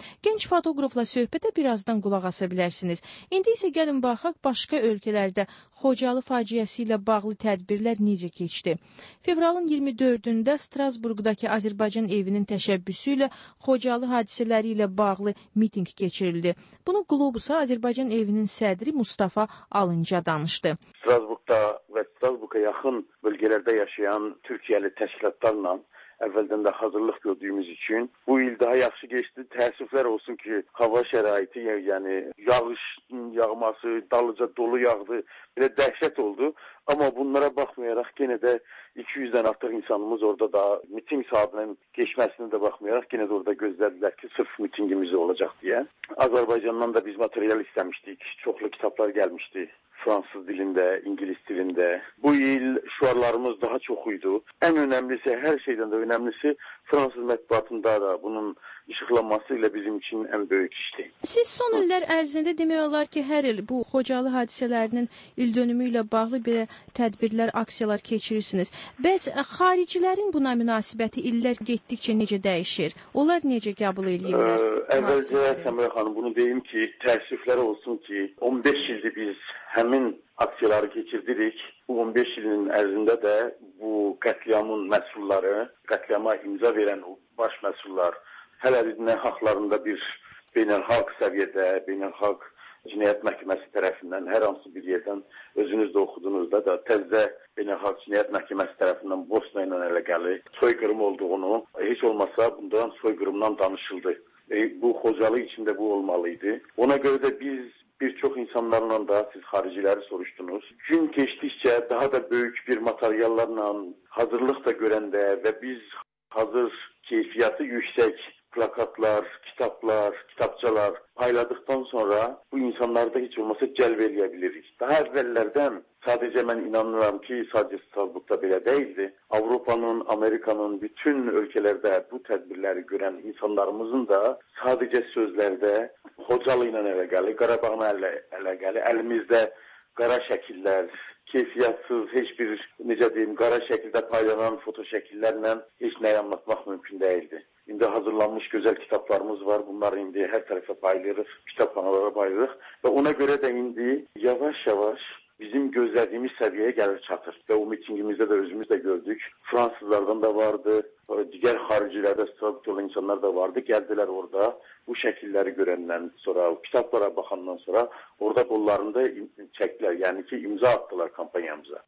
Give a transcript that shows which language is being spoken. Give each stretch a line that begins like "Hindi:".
Azerbaijani: Gənc fotoqrafla söhbətə birazdan qulaq asa bilərsiniz. İndi isə gəlin baxaq, başqa ölkələrdə Xocalı faciəsi ilə bağlı tədbirlər necə keçdi. Fevralın 24-də Strasburqdakı Azərbaycan evinin təşəbbüsü ilə Xocalı hadisələri ilə bağlı miting keçirildi. Bunu Qlobusa Azərbaycan evinin sədri Mustafa Alınca danışdı.
Turkish: Strasburg'da ve Strasburg'a yakın bölgelerde yaşayan Türkiye'li teşkilatlarla evvelden de hazırlık gördüğümüz için bu il daha yaxşı geçti.
Azerbaijani: Təəssüflər olsun ki, hava şəraiti, yani yağış yağması, dalıca dolu yağdı, bir de dəhşət oldu.
Turkish: Ama bunlara bakmayarak yine de 200'den artıq insanımız orada da miting saatinin geçmesine de bakmayarak yine de orada gözlediler ki sırf mitingimiz olacak diye. Azerbaycan'dan da biz materyal istemiştik. Çoxlu kitaplar gelmişti.
Azerbaijani: Fransız dilində, İngiliz dilində. Bu il şuarlarımız daha çox idi. Ən önəmlisi, hər şeydən də önəmlisi, Fransız mətbuatında da bunun işıqlanması ilə bizim üçün ən böyük işdi. Siz son illər ərzində demək olar ki, hər il bu Xocalı hadisələrinin il dönümü ilə bağlı bir tədbirlər, aksiyalar keçirirsiniz. Bəs xaricilərin buna münasibəti illər getdikcə necə dəyişir? Onlar necə qəbul edirlər? Əvvəlcə, Səmrə xanım, bunu deyim ki, təəssüflər olsun ki, 15 ildir biz həmin aksiyaları keçirdirik. Bu 15 ilin ərzində də bu qətliamın məsulları, qətliama imza verən baş məsullar hələ nə haqlarında bir beynəlxalq səviyyədə, beynəlxalq cinayət məhkəməsi tərəfindən, hər hansı bir yerdən özünüz də oxudunuzda da təzə beynəlxalq cinayət məhkəməsi tərəfindən Bosna ilə əlaqəli soyqırım olduğunu, heç olmasa bundan soyqırımdan danışıldı. Bu Xocalı içində bu olmalıydı. Ona görə də biz bir çox insanlarla da siz xariciləri soruşdunuz. Gün keçdikcə daha da böyük bir materiallarla hazırlıq da görəndə və biz hazır keyfiyyəti yüksək plakatlar, kitablar, kitabçalar payladıqdan sonra bu insanları da heç olmasa cəlb eləyə bilirik. Daha əvvəllərdən sadəcə mən inanıram ki, sadəcə Strasburqda belə deyildi. Avropanın, Amerikanın bütün ölkələrdə bu tədbirləri görən insanlarımızın da sadəcə sözlərdə Xocalı ilə əlaqəli, Qarabağın əlaqəli, əlimizdə qara şəkillər, keyfiyyatsız, heç bir, necə deyim, qara şəkildə paylanan foto şəkillərlə heç nəyə anlatmaq mümkün deyildi. İndi hazırlanmış gözəl kitablarımız var. Bunları indi hər tərəfə paylayırıq, kitabxanalara paylayırıq. Və ona görə də indi yavaş-yavaş
Turkish: bizim gözlediğimiz seviyeye gelir çatır. Ve o mitingimizde de özümüz de gördük. Fransızlardan da vardı, diğer haricilerde sıralık olan insanlar da vardı. Geldiler orada, bu şekilleri görenden sonra, kitaplara bakandan sonra orada kollarında çektiler, yani ki imza attılar kampanyamıza.